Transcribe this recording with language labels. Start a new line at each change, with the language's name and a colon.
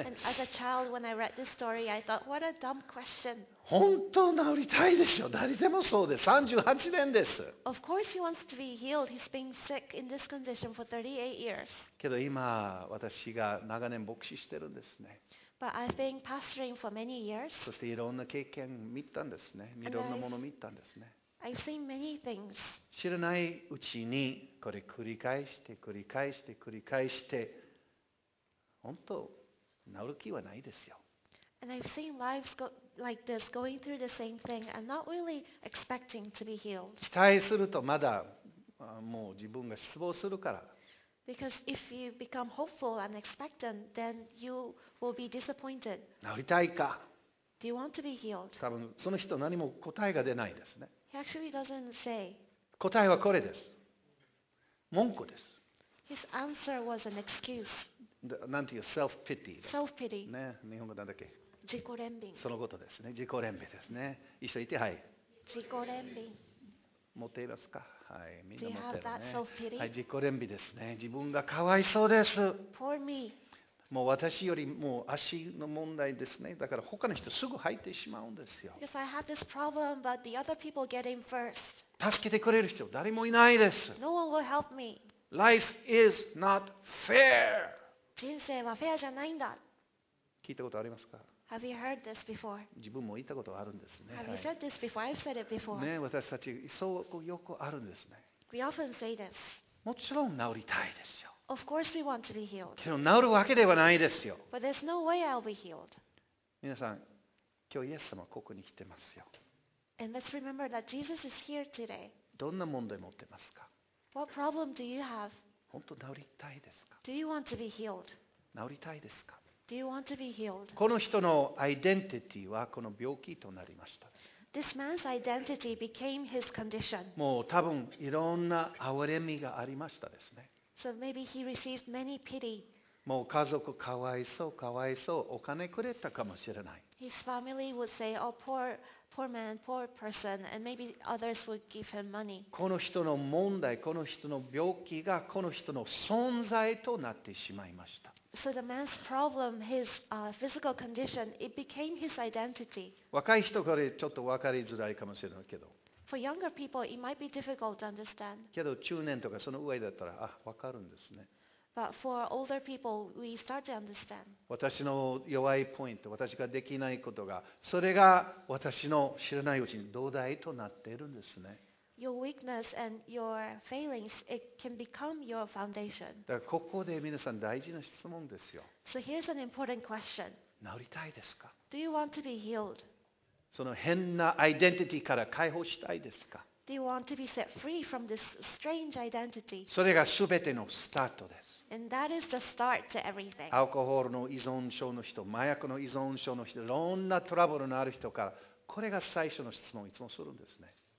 English: And as a child, when I read this story, I thought, what a dumb question.
Japanese: 本当治りたいでしょ。誰でもそうです。38年です。
English: Of course he wants to be healed. He's been sick in this condition for 38 years.
Japanese: けど今私が長年牧師してるんですね。
English: But I've been pastoring for many years.
Japanese: そしていろんな経験見たんですね。いろんなもの見たんですね。
English: I've seen many things.
Japanese: 知らないうちにこれ繰り返して繰り返して繰り返して本当治る気はないですよ。
English: And I've seen lives go like this, going through the same thing and not really expecting to be healed.
Japanese: 期待するとまだもう自分が失望するから。
English: Because if you become hopeful and expectant, then you will be disappointed.
Japanese: 治りたいか。
English: Do you want to be healed?
Japanese: 多分その人何も答えが出ないですね。
English: He actually doesn't say.
Japanese: 答えはこれです。文句です。
English: His answer was an excuse.
Japanese: なんていう self-pity。
English: self-pity。
Japanese: ね、日本語なんだっけ。自己憐憫。そのことですね。自己憐憫ですね。一緒にいてはい。自己憐憫。持っていますか。はい、みんな持ってるね。
English: Do you have that
Japanese: self-pity? はい、自己憐憫ですね。自分がかわいそうです。
English: Poor me.
Japanese: もう私よりもう足の問題ですね。だから他の人すぐ入ってしまうんですよ。
English: Yes, I have this problem, but the other people get in first. 助けてくれる人誰もいないです。 No one will help me. Life is not fair.
Japanese: 人生はフェアじゃないんだ。聞いたことありますか？
English: Have you heard this before?
Japanese: 自分も言ったことあるんですね。
English: Have you said this before? I've said it before.
Japanese: ね、私たちそうよくあるんですね。
English: We often say this.
Japanese: もちろん治りたいですよ。
English: Of course we want to be healed.
Japanese: けど治るわけではないですよ。
English: But there's no way I'll be healed.
Japanese: 皆さん、今日イエス様ここに来てますよ。
English: And let's remember that Jesus is here today.
Japanese: どんな問題持ってますか？
English: What problem do you have?
Japanese: 本当治りたいですか？
English: Do you want to be healed?
Japanese: 治りたいですか？
English: Do you want to be healed?
Japanese: この人のアイデンティティはこの病気となりました。
English: This man's identity became his condition.
Japanese: もう多分いろんな憐れみがありましたですね。
English: So maybe he received many pity.
Japanese: もう家族かわいそうかわいそう、お金くれたかもしれない。
English: His family would say, oh, poor, poor man, poor person, and maybe others would give him money.
Japanese: この人の問題、この人の病気がこの人の存在となってしまいました。
English: So the man's problem, his physical condition, it became his identity.
Japanese: 若い人からちょっと分かりづらいかもしれないけど。
English: For younger people, it might be difficult to understand.
Japanese: けど中年とかその上だったら、あ、分かるんですね。
English: But for older people, we start to understand.
Japanese: 私の弱いポイント、私ができないことが、それが私の知らないうちに土台となっているんですね。
English: Your weakness and your failings, it can become your foundation.
Japanese: だからここで皆さん大事な質問ですよ。
English: So here's an important question.
Japanese: 治りたいですか?
English: Do you want to be healed?
Japanese: その変なアイデンティティから解放したいですか?
English: Do you want to be set free from this strange identity?
Japanese: それが全てのスタートです。
English: And that is the start to everything.
Japanese: アルコールの依存症の人、麻薬の依存症の人、いろんなトラブルのある人から、これが最初の質問をいつもするんですね。